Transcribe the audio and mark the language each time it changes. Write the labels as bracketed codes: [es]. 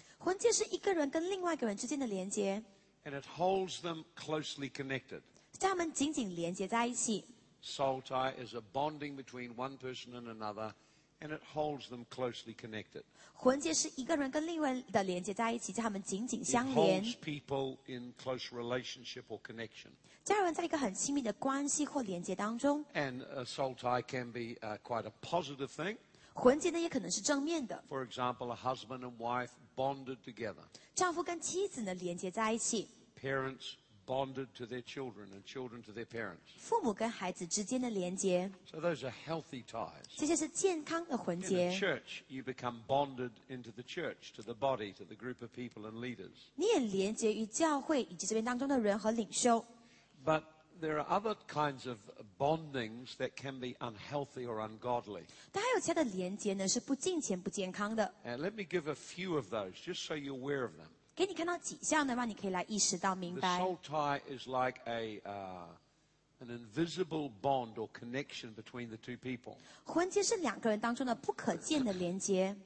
[zh] 魂结是一个人跟另外一个人之间的连结. [en] And it holds them closely connected. [zh] 将他们紧紧连结在一起. [en] Soul tie is a bonding between one person and another. And it holds them closely connected. It holds people in close relationship or connection. And a soul tie can be quite a positive thing. For example, a husband and wife bonded together. Parents bonded to their children and children to their parents. So those are healthy ties. In a church, you become bonded into the church, to the body, to the group of people and leaders. But there are other kinds of bondings that can be unhealthy or ungodly. And let me give a few of those, just so you're aware of them. [zh] 给你看到几项的话,你可以来意识到明白。 [en] The soul tie is like an invisible bond or connection between the two people. [zh] 魂结是两个人当中的不可见的连接。